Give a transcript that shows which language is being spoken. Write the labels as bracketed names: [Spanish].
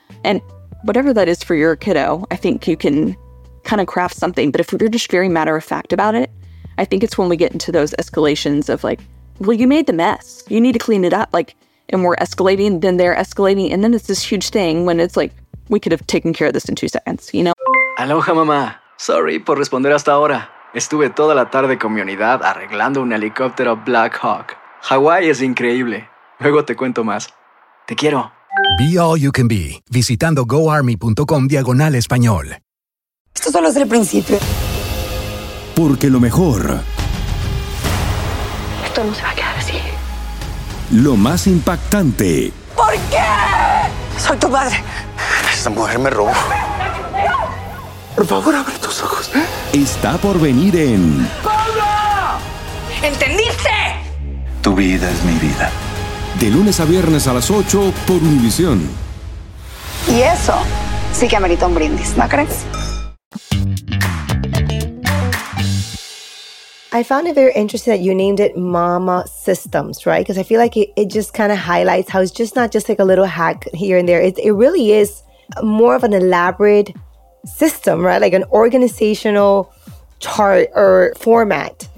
[English] And whatever that is for your kiddo, I think you can kind of craft something. But if you're just very matter of fact about it, I think it's when we get into those escalations of like, well, you made the mess, you need to clean it up. Like, and we're escalating, then they're escalating. And then it's this huge thing when it's like, we could have taken care of this in 2 seconds, you know? [Spanish] Aloha, mamá. Sorry por responder hasta ahora. Estuve toda la tarde con mi unidad arreglando un helicóptero Black Hawk. Hawái es increíble. Luego te cuento más. Te quiero. [English] Be all you can be. Visitando goarmy.com/español. [Spanish] Esto solo es el principio. Porque lo mejor... Esto no se va a quedar así. Lo más impactante... ¿Por qué? Soy tu madre. Esta mujer me robó. Por favor, abre tus ojos. Está por venir en... ¡Paula! ¿Entendiste? Tu vida es mi vida. De lunes a viernes a las 8 por Univisión. Y eso sí que amerita un brindis, ¿no crees? [English] I found it very interesting that you named it Mama Systems, right? Because I feel like it just kind of highlights how it's just not just like a little hack here and there. It really is more of an elaborate system, right? Like an organizational chart or format.